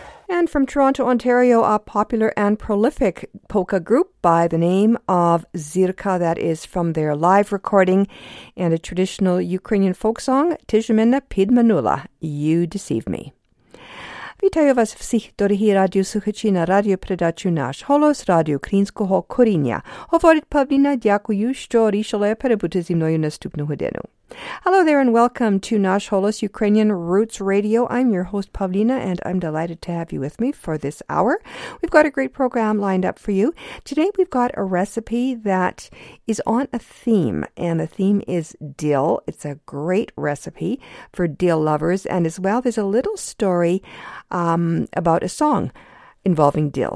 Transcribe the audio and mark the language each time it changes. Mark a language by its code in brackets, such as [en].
[en] And from Toronto, Ontario, a popular and prolific polka group by the name of Zirka, that is from their live recording, and a traditional Ukrainian folk song, Tižmene bit manula, You Deceive Me. [uk] Вітаю вас всіх, дорогі радіослухачі, на радіопередачу «Наш голос» радіо Українського коріння. Говорить Павліна, дякую, що рішили перебути зі мною наступну годину. [en] Hello there and welcome to «Наш голос» Ukrainian Roots Radio. I'm your host, Павліна, and I'm delighted to have you with me for this hour. We've got a great program lined up for you. Today we've got a recipe that is on a theme, and the theme is dill. It's a great recipe for dill lovers, and as well there's a little story about a song involving dill.